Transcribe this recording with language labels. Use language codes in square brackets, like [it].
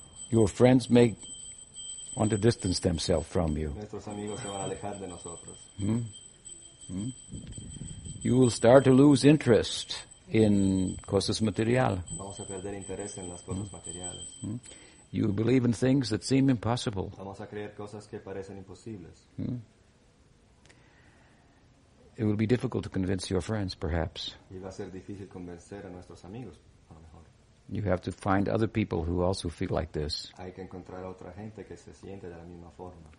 [en] your friends may want to distance themselves from you. [es] Nuestros amigos se van a alejar de nosotros. [en] You will start to lose interest in [es] cosas material. Vamos a perder interés en las cosas materiales. [en] You will believe in things that seem impossible. [es] Vamos a creer cosas que parecen imposibles. [en] It will be difficult to convince your friends, perhaps. [es] Y va a ser difícil convencer a nuestros amigos, a lo mejor. [en] You have to find other people who also feel like this. [es] Hay que encontrar otra gente que se siente de la misma forma.